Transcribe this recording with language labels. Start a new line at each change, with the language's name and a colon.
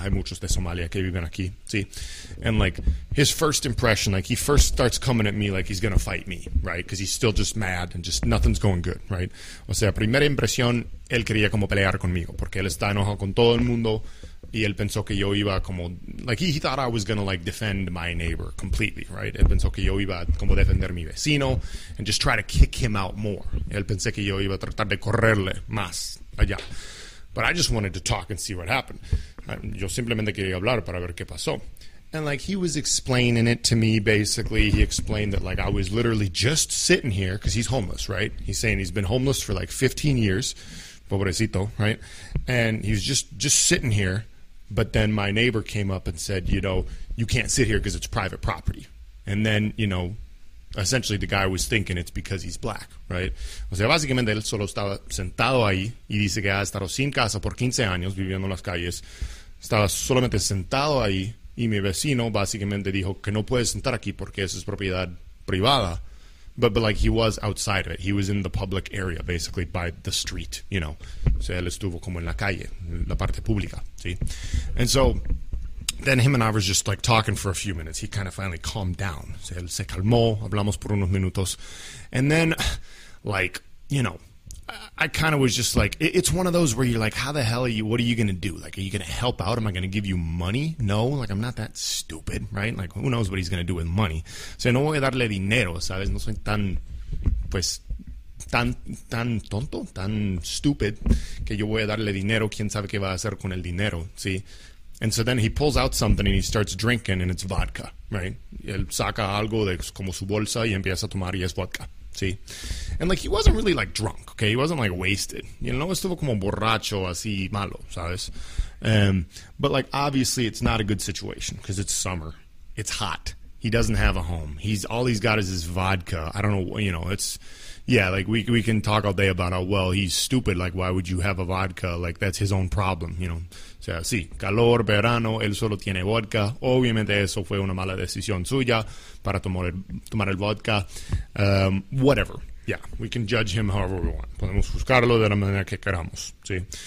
Spanish: Hay muchos de Somalia que viven aquí, ¿sí?
English: And, like, his first impression, like, he first starts coming at me like he's going to fight me, right? Because he's still just mad and just nothing's going good, right?
Spanish: O sea, primera impresión, él quería como pelear conmigo porque él está enojado con todo el mundo. Y él pensó que yo iba como...
English: Like, he thought I was going to, like, defend my neighbor completely, right?
Spanish: Él pensó que yo iba como defender mi vecino
English: and just try to kick him out more.
Spanish: Él pensé que yo iba a tratar de correrle más allá.
English: But I just wanted to talk and see what happened.
Spanish: Yo simplemente quería hablar para ver qué pasó.
English: And, like, he was explaining it to me, basically. He explained that, like, I was literally just sitting here because he's homeless, right? He's saying he's been homeless for, like, 15 years. Pobrecito, right? And he was just sitting here. But then my neighbor came up and said, you know, you can't sit here because it's private property. And then, you know, essentially the guy was thinking it's because he's black, right?
Spanish: O sea, básicamente él solo estaba sentado ahí y dice que ha estado sin casa por 15 años viviendo en las calles. Estaba solamente sentado ahí y mi vecino básicamente dijo que no puedes sentar aquí porque eso es propiedad privada.
English: But like, he was outside of it. He was in the public area, basically, by the street, you know.
Spanish: O sea, él estuvo como en la calle, la parte pública, ¿sí?
English: And so, then him and I was just, like, talking for a few minutes. He kind of finally calmed down.
Spanish: O sea, él se calmó, hablamos por unos minutos.
English: And then, like, you know, I kind of was just like, it's one of those where you're like, how the hell are you, what are you going to do? Like, are you going to help out? Am I going to give you money? No, like, I'm not that stupid, right? Like, who knows what he's going to do with money?
Spanish: O sea, no voy a darle dinero, ¿sabes? No soy tan, pues, tan tonto, tan stupid, que yo voy a darle dinero. ¿Quién sabe qué va a hacer con el dinero? ¿Sí?
English: And so then he pulls out something and he starts drinking and it's vodka, right?
Spanish: Él saca algo de como su bolsa y empieza a tomar y es vodka.
English: See, and like he wasn't really like drunk, okay? He wasn't like wasted, you know.
Spanish: Estuvo como borracho así malo, ¿sabes?
English: But like obviously it's not a good situation because it's summer, it's hot. He doesn't have a home. He's all he's got is his vodka. I don't know, you know. It's yeah, like we can talk all day about how well he's stupid. Like why would you have a vodka? Like that's his own problem, you know.
Spanish: O sea, sí, calor, verano, él solo tiene vodka. Obviamente eso fue una mala decisión suya para tomar el vodka. Whatever.
English: Yeah, we can judge him however we want.
Spanish: Podemos juzgarlo de la manera que queramos, ¿sí?